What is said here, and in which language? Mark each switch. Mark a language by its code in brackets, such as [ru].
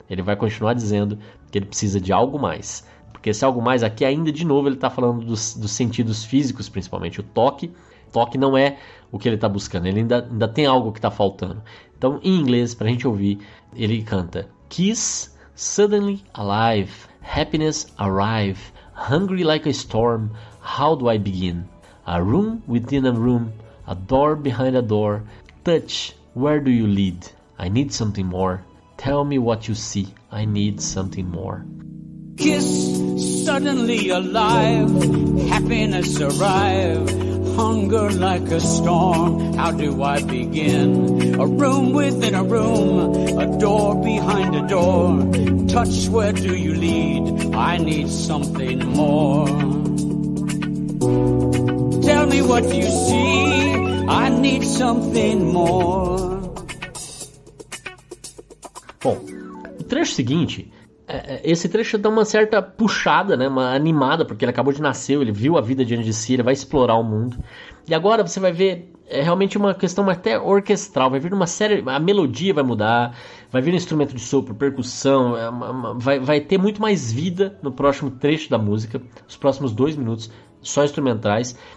[pt] Ele vai continuar dizendo que ele precisa de algo mais. Porque se algo mais, aqui ainda de novo ele está falando dos sentidos físicos, principalmente o toque. Toque não é o que ele está buscando, ele ainda tem algo que está faltando. Então, em inglês, para a gente ouvir, ele canta [en] Kiss, suddenly alive, happiness arrive, hungry like a storm, how do I begin? A room within a room, a door behind a door, touch, where do you lead? I need something more, tell me what you see, I need something more. Kiss, suddenly alive, happiness arrive, hunger like a storm, how do I begin? A room within a room, a door behind a door, touch, where do you lead? I need something more. Tell me what you see, I need something more. [pt] Bom, o trecho seguinte, esse trecho dá uma certa puxada, né, uma animada, porque ele acabou de nascer, ele viu a vida diante de si, ele vai explorar o mundo. E agora você vai ver, é realmente uma questão até orquestral, vai vir uma série, a melodia vai mudar, vai vir um instrumento de sopro, percussão, vai ter muito mais vida no próximo trecho da música, os próximos 2 minutos, só instrumentais.